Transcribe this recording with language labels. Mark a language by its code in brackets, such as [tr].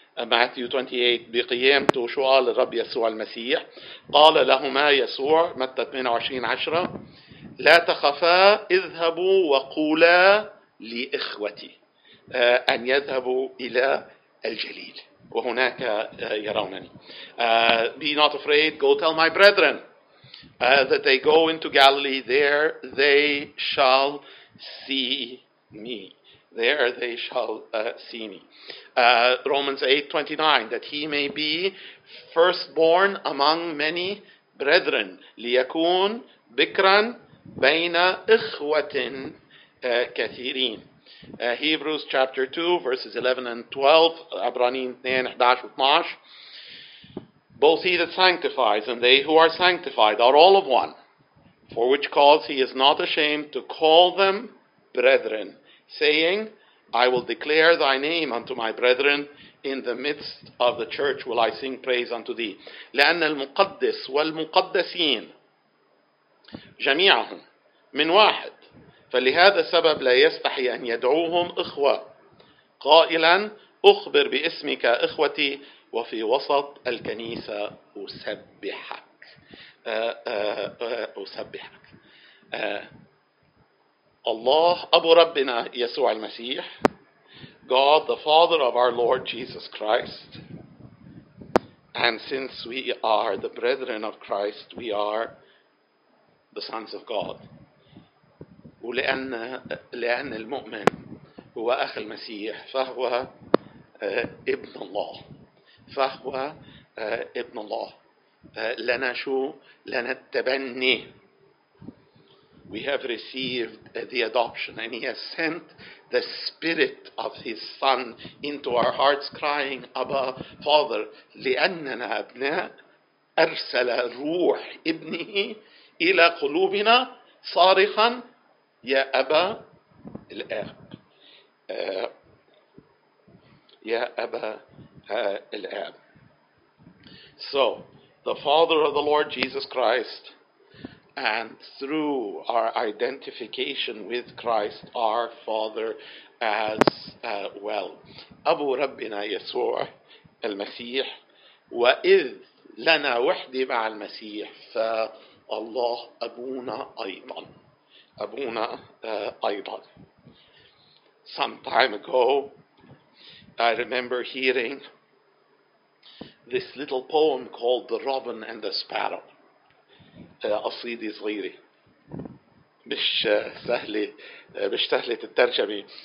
[ar] Matthew 28, بقيامته شو قال الرب يسوع المسيح؟ قال لهما يسوع متى 28:10 لا تخفا اذهبوا وقولا لإخوتي أن يذهبوا إلى الجليل وهناك يرونني. [en] Be not afraid, go tell my brethren that they go into Galilee, there they shall see me. There they shall see me. Romans 8:29, that he may be firstborn among many brethren. [ar] ليكون بكرا بين إخوة كثيرين. [en] Hebrews chapter 2, verses 11 and 12. عبرانين 2:11-12. Both he that sanctifies and they who are sanctified are all of one, for which cause he is not ashamed to call them brethren, saying, I will declare thy name unto my brethren, in the midst of the church will I sing praise unto thee. [ar] لأن المقدس والمقدسين جميعهم من واحد فلهذا السبب لا يستحي أن يدعوهم إخوة قائلا أخبر باسمك إخوتي وفي وسط الكنيسة أسبحك. أسبحك. الله أبو ربنا يسوع المسيح. [en] God the Father of our Lord Jesus Christ. And since we are the brethren of Christ, we are the sons of God. [ar] ولأن المؤمن هو أخ المسيح فهو ابن الله. فهو ابن الله. لنا شو؟ لنا التبني. [en] We have received the adoption and he has sent the spirit of his son into our hearts crying, Abba, Father. [ar] لأننا أبناء أرسل روح ابنه إلى قلوبنا صارخا يا أبا الآب. يا أبا الآب. [en] So, the Father of the Lord Jesus Christ, and through our identification with Christ, our Father as well. [ar] أبو ربنا يسوع المسيح وإذ لنا وحدي مع المسيح فالله أبونا أيضا. أبونا أيضا. [en] Some time ago, I remember hearing this little poem called The Robin and the Sparrow. [ar] قصيدة صغيرة مش سهلة مش سهلة الترجمة.